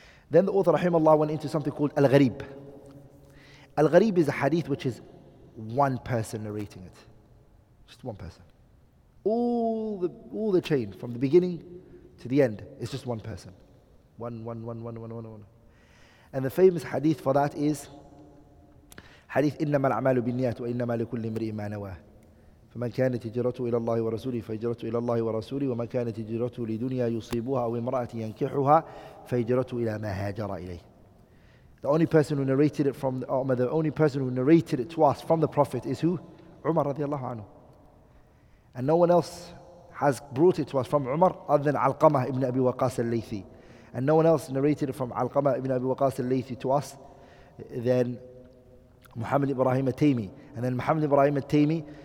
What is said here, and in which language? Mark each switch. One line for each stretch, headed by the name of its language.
English: Then the author, rahimahullah, went into something called Al-Gharib. Al-Gharib is a hadith which is one person narrating it. Just one person. All the chain, from the beginning to the end, it's just one person. One. And the famous hadith for that is hadith
Arabic: إنما الأعمال بالنيات وإنما لكل امرئ ما نوى فمن كانت هجرته إلى الله ورسوله فهجرته إلى الله ورسوله ومن كانت هجرته لدنيا يصيبها أو امرأة ينكحها فهجرته إلى ما هاجر إليه. The only person who narrated it to us from the Prophet is who? Umar رضي الله عنه.
English: And no one else has brought it to us from Umar other than Alqamah ibn Abi Waqas al-Laythi. And no one else narrated it from Alqama ibn Abi Waqas al-Laythi to us than Muhammad Ibrahim al-Taymi. And then Muhammad Ibrahim al-Taymi